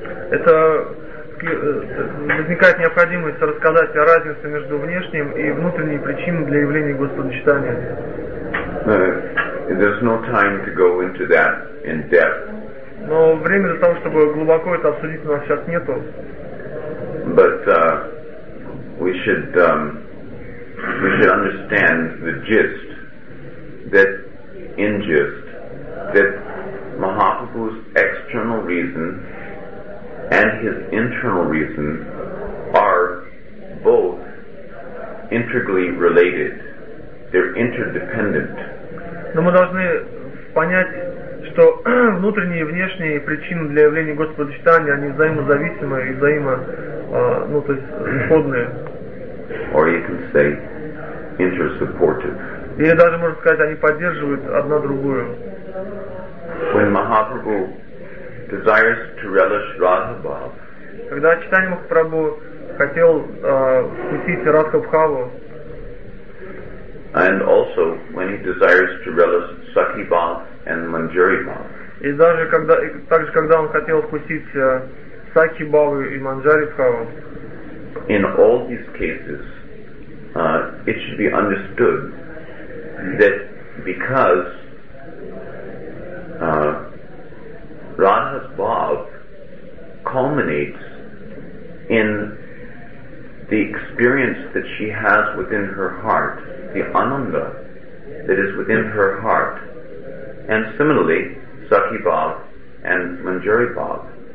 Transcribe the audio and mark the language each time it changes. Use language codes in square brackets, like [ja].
[ru] Это возникает необходимость рассказать о разнице между внешним и внутренней причиной для явления Господа Чайтанья. [en] There's no time to go into that in depth. [ru] Но времени для того, чтобы глубоко это обсудить, у нас сейчас нету. [en] But we should understand the gist, that in gist, that Mahaprabhu's external reason and his internal reason are both integrally related. They're interdependent. [ru] Но мы должны понять, что внутренние и внешние причины для явления Господа Чайтанья, они взаимозависимы и исходные. [en] Or you can say inter-supportive. [ru] Или даже можно сказать, они поддерживают одна другую. [en] When Mahaprabhu desires to relish Radha Bhava. [ru] Когда Чайтанья Махапрабху хотел вкусить Радха Бхаву. [en] And also when he desires to relish Sakhi Bhava and Manjari Bhava. [ru] И даже когда он хотел вкусить Сакхи Бхаву и Манджари Бхаву. [en] In all these cases, it should be understood that because Radha's bhav culminates in the experience that she has within her heart, the ananda that is within her heart, and similarly, Sakhi bhav and Manjari bhav.